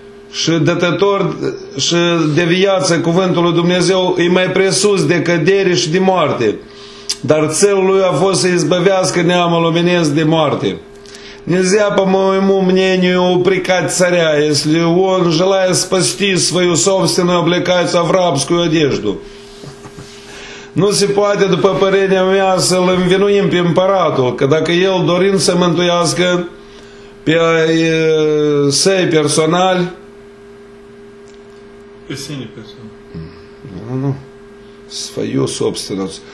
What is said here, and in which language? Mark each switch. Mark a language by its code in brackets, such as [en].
[ro] Și dătător și de viață, cuvântul lui Dumnezeu e mai presus de cădere și de moarte. Dar țelul lui a fost să izbăvească neamul omenesc de moarte. [ru] Нельзя, по моему мнению, упрекать царя, если он, желая спасти свою собственную, облекается в рабскую одежду. [ro] Ну, се пуате, după părerea mea, să-l învinuim pe împăratul, că dacă el dorind să mântuiască pe săi personali... Pe sine personal. [ru] Nu, свою собственную.